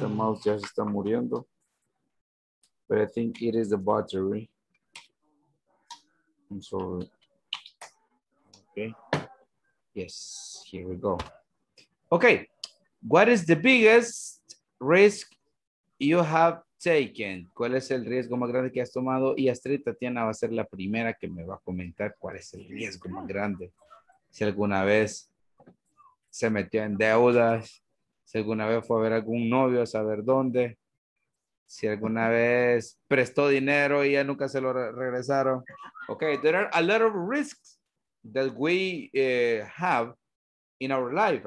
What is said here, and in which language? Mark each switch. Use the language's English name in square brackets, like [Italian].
[English] The mouse [Spanish] ya se está muriendo. [English] But I think it is the battery. I'm sorry. Okay. Yes, here we go. Okay. What is the biggest risk you have taken? [Spanish] ¿Cuál es el riesgo más grande que has tomado? Y Astrid, Tatiana va a ser la primera que me va a comentar cuál es el riesgo más grande. Si alguna vez se metió en deudas, si alguna vez fue a ver algún novio a saber dónde, si alguna vez prestó dinero y ya nunca se lo regresaron. [English] Okay, there are a lot of risks that we have in our life.